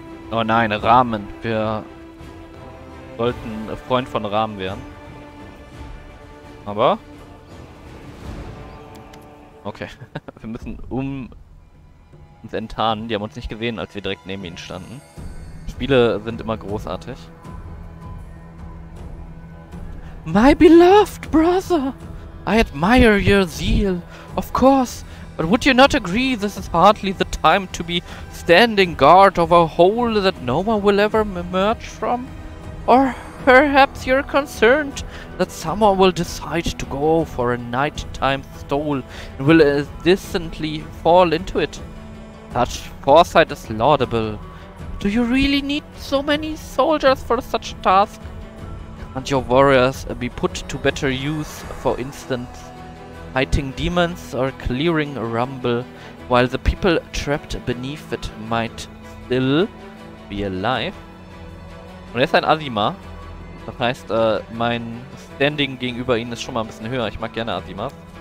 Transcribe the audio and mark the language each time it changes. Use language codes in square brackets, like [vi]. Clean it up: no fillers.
[de] Oh nein, Rahmen. Wir sollten Freund von Rahmen werden. Aber. Okay. Wir müssen uns enttarnen. Die haben uns nicht gesehen, als wir direkt neben ihnen standen. Spiele sind immer großartig. [en] My beloved brother, I admire your zeal, of course, but would you not agree this is hardly the time to be standing guard over a hole that no one will ever emerge from? Or perhaps you're concerned that someone will decide to go for a nighttime stroll and will innocently fall into it? Such foresight is laudable. Do you really need so many soldiers for such a task? And your warriors be put to better use, for instance, fighting demons or clearing a rumble, while the people trapped beneath it might still be alive. [de] Und er ist ein Azima. Das heißt, mein Standing gegenüber ihnen ist schon mal ein bisschen höher. Ich mag gerne Azimas.